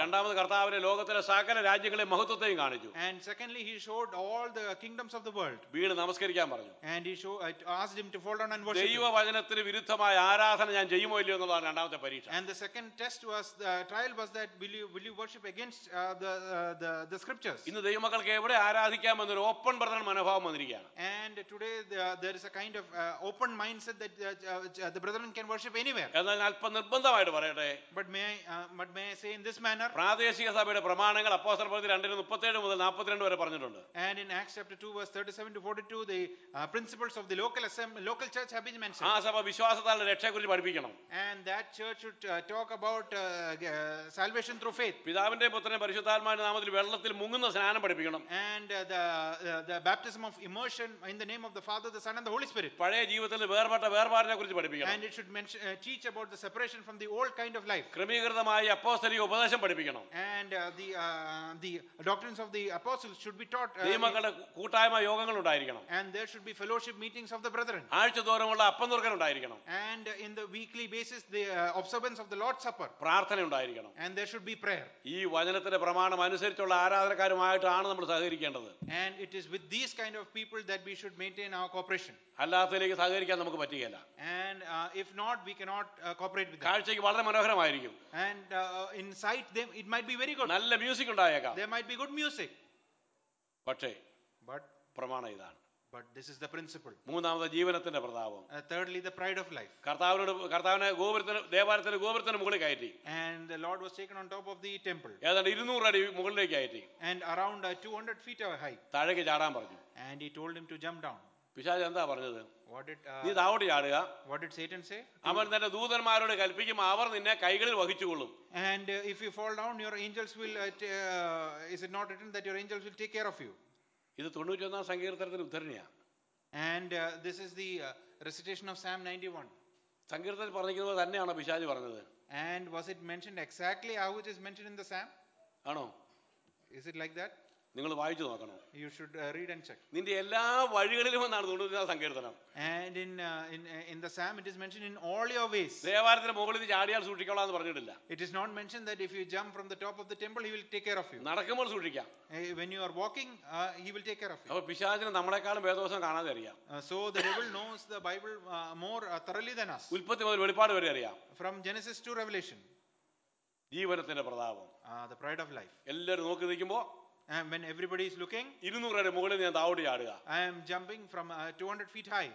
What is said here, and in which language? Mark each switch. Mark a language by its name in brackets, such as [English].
[Malayalam] രണ്ടാമത് കർത്താവിനെ ലോകത്തിലെ സകല രാജ്യങ്ങളെ മഹത്വത്തെയും കാണിച്ചു. [English] And secondly he showed all the kingdoms of the world. [Malayalam] വീണ് നമസ്കരിക്കാൻ പറഞ്ഞു. [English] And asked him to fall down and worship. [Malayalam] ദൈവ വചനത്തിന് വിരുദ്ധമായ ആരാധന ഞാൻ ചെയ്യുമോ ഇല്ലയോ എന്നുള്ളതാണ് രണ്ടാമത്തെ പരീക്ഷ. [English] And the second test was, the trial was that, will you worship against the scriptures. [Malayalam] ഇന്ന് ദൈവമക്കൾക്ക് എവിടെ ആരാധിക്കാം എന്നൊരു ഓപ്പൺ ബ്രദറിന്റെ മനോഭാവം വന്നിരിക്കുകയാണ്. [English] And today there is a kind of open mindset that the brethren can worship anywhere. [Malayalam] എന്നാൽ അല്പം നിർബന്ധമായിട്ട് പറയാം. [English] But may I say in this manner, [Malayalam] പ്രാദേശിക സഭയുടെ പ്രമാണങ്ങൾ അപ്പോസ്തല പ്രവൃത്തി 2:37 മുതൽ 42 വരെ പറഞ്ഞിട്ടുണ്ട്. [English] And in Acts chapter 2 verse 37 to 42 the principles of the local church have been mentioned. [Malayalam] ആ സഭ വിശ്വാസത്താലുള്ള രക്ഷയെക്കുറിച്ച് പഠിപ്പിക്കണം. [English] And that church should talk about salvation through faith. [Malayalam] പിതാവിന്റെ പുത്രനെ പരിശുദ്ധാത്മാവിന്റെ നാമത്തിൽ വെള്ളത്തിൽ മുങ്ങുന്ന സ്നാനം പഠിപ്പിക്കണം. [English] And the baptism of immersion in the name of the Father, the Son and the Holy Spirit. [Malayalam] പഴയ ജീവിതത്തിൽ വേർപെട്ട വേർപാടിനെക്കുറിച്ച് പഠിപ്പിക്കണം. [English] And it should teach about the separation from the old kind of life. [Malayalam] ക്രമീകൃതമായി അപ്പോസ്തലിക ഉപദേശം പഠിപ്പിക്കണം. [English] And the doctrines of the apostles should be taught. [Malayalam] ദൈവമക്കളുടെ കൂട്ടായ്മ യോഗങ്ങൾ ഉണ്ടായിരിക്കണം. [English] And there should be fellowship meetings of the brethren. [Malayalam] ആഴ്ചതോറുമുള്ള അപ്പംതുറക്കൽ ഉണ്ടായിരിക്കണം. [English] And in the weekly basis the observance of the Lord's Supper. [Malayalam] പ്രാർത്ഥന ഉണ്ടായിരിക്കണം. [English] And there should be prayer. [Malayalam] ഈ വചനത്തിന്റെ പ്രമാണം അനുസരിച്ചുള്ള ആരാധനക്കാരുമായിട്ടാണ് നമ്മൾ സഹകരിക്കേണ്ടത്. [English] And it is with these kind of people that we should maintain our cooperation. [Malayalam] അല്ലാത്തതിലേക്ക് സഹകരിക്കാൻ നമുക്ക് പറ്റുകയില്ല. [English] And if not we cannot cooperate with them. [Malayalam] കാഴ്ചയ്ക്ക് വളരെ മനോഹരമായിരിക്കും. [English] And in sight them it might be very good. [Malayalam] നല്ല music ഉണ്ടായേക്കാം. [English] There might be good music. [Malayalam] പക്ഷേ [English] but [Malayalam] പ്രമാണം ഇതാണ്. [English] But this is the principle. [Malayalam] മൂന്നാമത്തെ ജീവനത്തിന്റെ പ്രതാപം. [English] Thirdly the pride of life. [Malayalam] കർത്താവിനോട് കർത്താവിനെ ഗോപുരത്തിന് ദേവാലയത്തിന് ഗോപുരത്തിന് മുകളിൽ കയറ്റി. [English] And the Lord was taken on top of the temple. [Malayalam] ഏതാണ്ട് 200 അടി മുകളിലേക്ക് കയറ്റി. [English] And around 200 feet high. [Malayalam] താഴേക്ക് ചാടാൻ പറഞ്ഞു. [English] And he told him to jump down. [Malayalam] പിശാച് എന്താ പറഞ്ഞത്? നീ താവോട്ട് ചാടുക. [English] What did Satan say? [Malayalam] അവൻ തന്റെ ദൂതന്മാരോട് കൽപ്പിക്കും, അവർ നിന്നെ കൈകളിൽ വഹിച്ചുകൊള്ളും. [English] And if you fall down your angels will is it not written that your angels will take care of you? [Malayalam] ഇത് 91 സങ്കീർത്തനത്തിന്റെ ഉദ്ധരണിയാണ്. [English] And this is the recitation of Psalm 91. [Malayalam] സങ്കീർത്തനത്തിൽ പറഞ്ഞിരിക്കുന്നത് തന്നെയാണോ പിശാച് പറഞ്ഞത്? [English] And was it mentioned exactly how it is mentioned in the Psalm? [Malayalam] ആണോ? [English] Is it like that? [Malayalam] നിങ്ങൾ വായിച്ചു നോക്കണം. [English] You should read and check. [Malayalam] നിന്റെ എല്ലാ വഴികളിലും എന്നാണ് 91 സങ്കീർത്തനം. [English] And in the psalm it is mentioned in all your ways. [Malayalam] ദേവാലയത്തിന്റെ മുകളിൽ ചാടിയാൽ സൂക്ഷിക്കോളാം എന്ന് പറഞ്ഞിട്ടില്ല. [English] It is not mentioned that if you jump from the top of the temple he will take care of you. [Malayalam] നടക്കുമ്പോൾ സൂക്ഷിക്കാം. [English] When you are walking he will take care of you. [Malayalam] അപ്പോൾ പിശാചിനെ നമ്മളെക്കാളും വേദവസം കാണാതെ അറിയാം. [English] So the devil knows the bible more thoroughly than us. [Malayalam] ഉൽപ്പത്തി മുതൽ വെളിപ്പാട് വരെ അറിയാം. [English] From Genesis to Revelation. [Malayalam] ജീവനത്തിന്റെ പ്രതാപം [English] the pride of life [Malayalam] എല്ലാവരും നോക്കി നിൽക്കുമ്പോൾ [English] And when everybody is looking [Malayalam] 200 ade mugale nan daavadi aaduga [English] I am jumping from 200 feet high